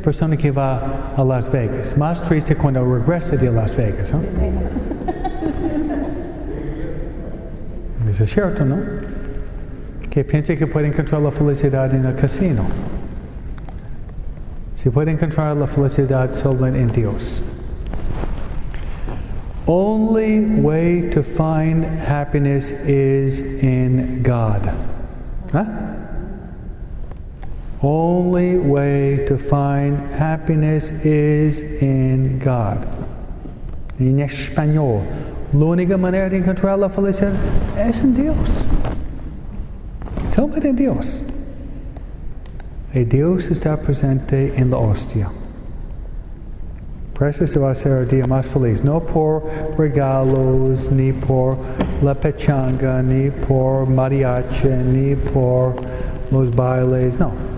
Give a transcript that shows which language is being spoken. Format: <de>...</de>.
<es>Persona que va a Las Vegas. Más triste cuando regresa de Las Vegas, ¿no? Eso es cierto, ¿no? Que piensa que puede encontrar la felicidad en el casino. Se puede encontrar la felicidad solo en Dios.</es> <en>Only way to find happiness is in God. Huh? Only way to find happiness is in God.</en> <es>En español. La única manera de encontrar la felicidad es en Dios. Solo en Dios. Y Dios está presente en la hostia. Precious of us here, Dia Mas Feliz. No por regalos, ni por la pechanga, ni por mariachi, ni por los bailes. No.</es>